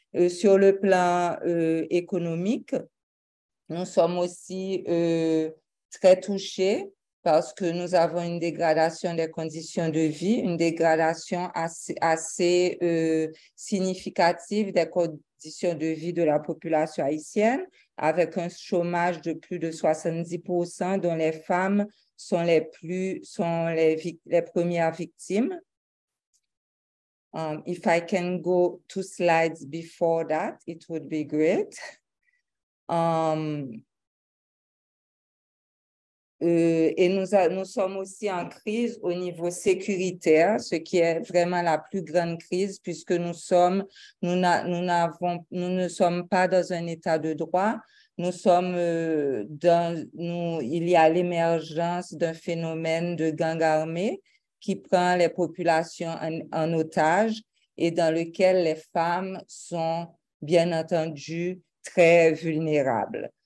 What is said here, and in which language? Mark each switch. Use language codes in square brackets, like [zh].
[fr] Sur le plan économique, nous sommes aussi très touchés parce que nous avons une dégradation des conditions de vie, une dégradation assez significative des conditions de vie de la population haïtienne, avec un chômage de plus de 70% dont les femmes sont les premières victimes. [en] If I can go 2 slides before that, it would be great. [fr] Et nous sommes aussi en crise au niveau sécuritaire, ce qui est vraiment la plus grande crise, puisque nous ne sommes pas dans un état de droit. Il y a l'émergence d'un phénomène de gangs armés qui prend les populations en otage et dans lequel les femmes sont bien entendu très vulnérables.